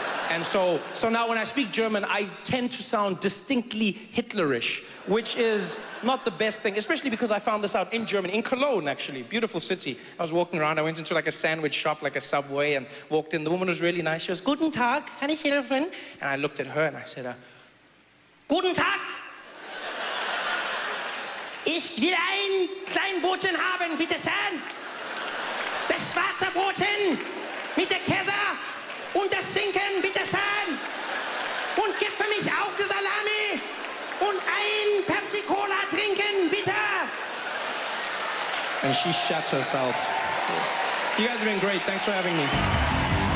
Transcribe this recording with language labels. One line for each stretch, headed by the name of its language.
English: And so now when I speak German, I tend to sound distinctly Hitlerish, which is not the best thing, especially because I found this out in Germany, in Cologne, actually, beautiful city. I was walking around, I went into like a sandwich shop, like a Subway, and walked in. The woman was really nice. She was,
German: Guten Tag, kann ich helfen?
English: And I looked at her and I said,
German: Guten Tag! Ich will ein Kleinbrotchen haben, bitte schön! Das schwarze Brotchen mit der Käse! Und das Schinken, bitte schön. Und gib für mich auch die Salami. Und ein Pepsi-Cola trinken, bitte.
English: And she shut herself. Yes. You guys have been great. Thanks for having me.